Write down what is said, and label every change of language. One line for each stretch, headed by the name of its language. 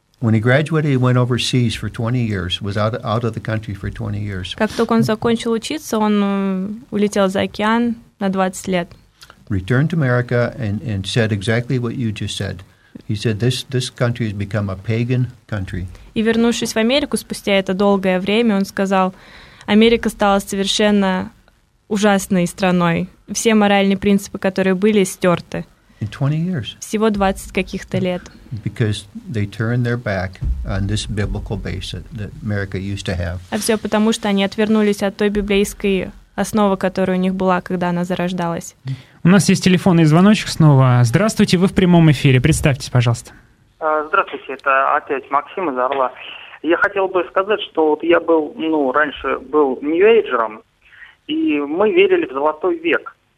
English: When he graduated, he went overseas for 20 years, was out of the country for 20 years.
Russian: Как только он закончил учиться, он улетел за океан на 20 лет.
English: Returned to America and said exactly what you just said. He said this country has become a pagan country.
Russian: И вернувшись в Америку спустя это долгое время, он сказал: Америка стала совершенно ужасной страной. Все моральные принципы, которые были, стерты.
English: In 20 years.
Russian: Всего 20 каких-то лет.
English: Because they turned their back on this biblical base that America used to have.
Russian: А все потому, что они отвернулись от той библейской основы, которая у них была, когда она зарождалась. У нас есть телефонный звоночек снова. Здравствуйте, вы в прямом эфире. Представьтесь, пожалуйста. Здравствуйте, это опять Максим из Орла. Я хотел бы сказать, что вот я был, ну, раньше был нью-эйджером, и мы верили в золотой век.